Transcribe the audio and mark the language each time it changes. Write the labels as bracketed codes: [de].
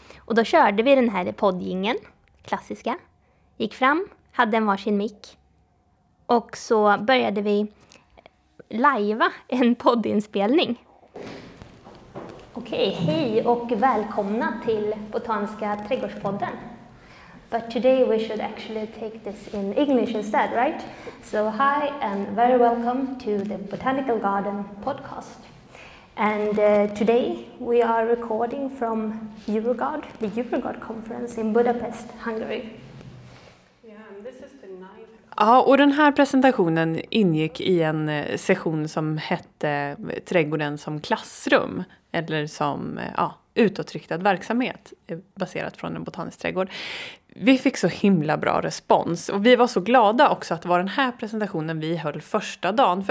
[sv] Och då körde vi den här poddjingen, klassiska. Gick fram, hade en varsin mick. Och så började vi lajva en poddinspelning. Okej, hej och välkomna till Botaniska trädgårdspodden. [en] But today we should actually take this in English instead, right? So hi and very welcome to the Botanical Garden podcast. And today we are recording from Eurogard, the Eurogard conference in Budapest, Hungary. Yeah, and this is the ninth. [sv] Ja, och den här presentationen ingick i en session som hette Trädgården som klassrum, eller som utåtriktad verksamhet baserat från en botanisk trädgård. Vi fick så himla bra respons och vi var så glada också att det var den här presentationen vi höll första dagen.